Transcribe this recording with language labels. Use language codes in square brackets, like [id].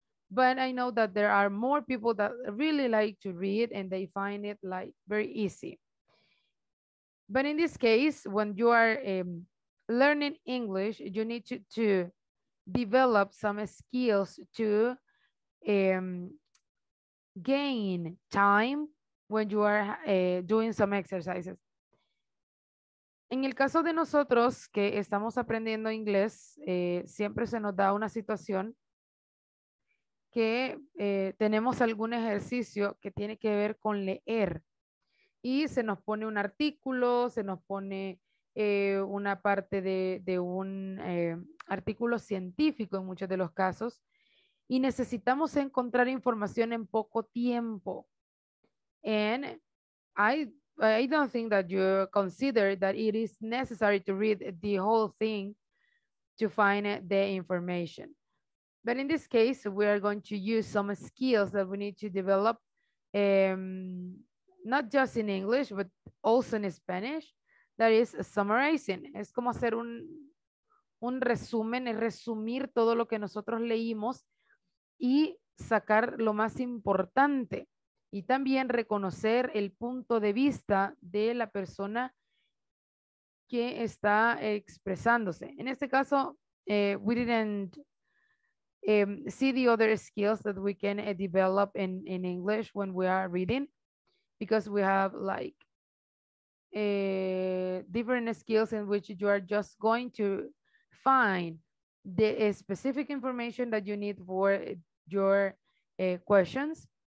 [en] But I know that there are more people that really like to read and they find it like very easy. But in this case, when you are learning English, you need to develop some skills to gain time when you are doing some exercises. [es] En el caso de nosotros que estamos aprendiendo inglés, siempre se nos da una situación que tenemos algún ejercicio que tiene que ver con leer. Y se nos pone un artículo, se nos pone una parte de un artículo científico en muchos de los casos. Y necesitamos encontrar información en poco tiempo. [en] And I don't think that you consider that it is necessary to read the whole thing to find the information. But in this case, we are going to use some skills that we need to develop, not just in English, but also in Spanish, that is summarizing. [es] Es como hacer un resumen, resumir todo lo que nosotros leímos y sacar lo más importante. Y también reconocer el punto de vista de la persona que está expresándose. En este caso, [en] we didn't see the other skills that we can develop in English when we are reading, because we have like different skills in which you are just going to find the specific information that you need for your questions.